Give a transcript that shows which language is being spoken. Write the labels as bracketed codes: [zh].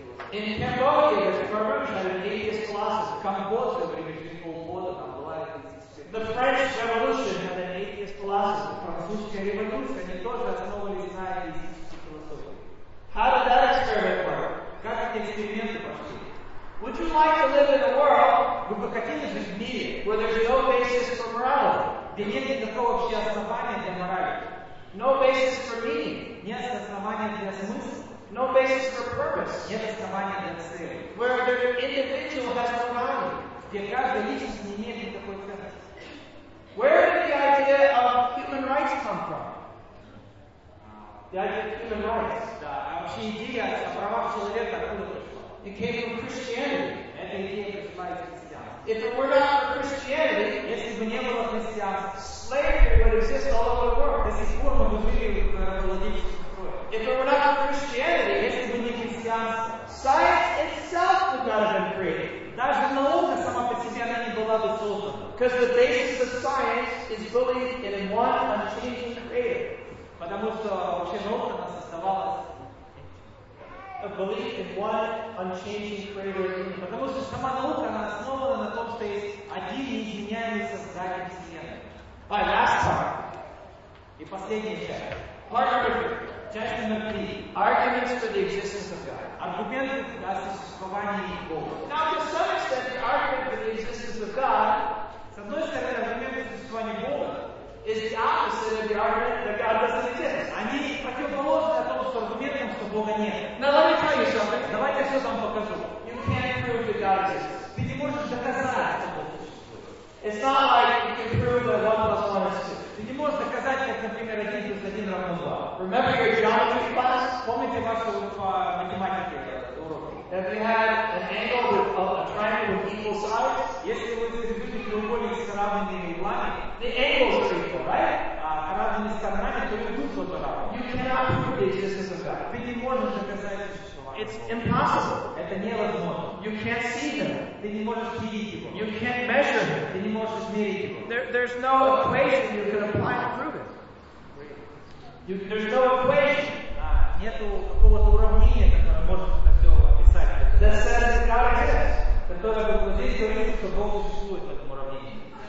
[en] In Cambodia, the Burmese had an atheist philosophy. Cambodia, where you can call water, but why? The French Revolution had an atheist philosophy. [ru] Французская революция, они тоже основывались на атеистической философии. [en] How did that experiment work? [ru] Как эти эксперименты пошли? [en] Would you like to live in a world? [ru] Вы бы хотели жить в мире, [en] where there's no basis for morality? [ru] Где нет никакого общего основания для морали? [en] No basis for meaning. [ru] Нет основания для смысла. [en] No basis for purpose. [ru] Нет основания для цели. [en] Where the individual has no value. [ru] Где каждая личность не имеет никакой ценности. [en] Where did the idea of human rights come from? The idea of human rights. [ru] Да, а вообще идея о правах человека откуда пришла? [en] It came from Christianity. [ru] Это идея пришла из христианства. [en] If it were not for Christianity, [ru] если бы не было христианства, [en] slavery would exist all over the world. [ru] До сих пор мы бы жили в голодечке. [en] If it were not Christianity, if it were science itself would not have been created. [ru] Даже наука сама по себе она не была бы создана. [en] Because the basis of science is belief in one unchanging creator. [ru] Потому что вообще наука нас оставалась. [en] A belief in one unchanging creator. [ru] Потому что сама наука она основана на том, что есть один неизменяемый создатель вселенной. [en] By last part. [ru] И последняя часть. [en] Part number three. [ru] Часть номер три. [en] Arguments for the existence of God. [ru] Аргументы для существования Бога. [en] Now, to some extent, the argument for the existence of God, [ru] с одной стороны, аргументы для существования Бога, [en] is the opposite of the argument that God doesn't exist. [ru] Они противоположны тому, что аргументом, что Бога нет. [en] Now, let me tell you something. [ru] Давайте я все вам покажу. [en] You can't prove that God exists. [ru] Ты не можешь доказать, что Бог существует. [en] It's not like you can prove that 1 plus 1 is 2. [ru] Ты не можешь доказать, как, например, 1 плюс 1 равно 2. [en] Remember your geometry class? [ru] Помните вашу математику, урок? [en] If you had an angle with a triangle with equal sides, [ru] если вы соединили треугольник с равными углами, [en] the angles are equal, right? [ru] А равными сторонами, то и тут вот равно. [en] You cannot prove the existence of God. [ru] Ты не можешь доказать, что [en] It's impossible. [ru] Это невозможно. [en] You can't see them. [ru] Ты не можешь видеть его. [en] You can't measure them. [ru] Ты не можешь мерить его. [en] There's no equation you can apply to prove it. There's no equation. [ru] Нету какого-то уравнения, которое может это все описать. [en] That says God exists. [ru] Которое бы здесь говорит, что Бог существует в этом уравнении.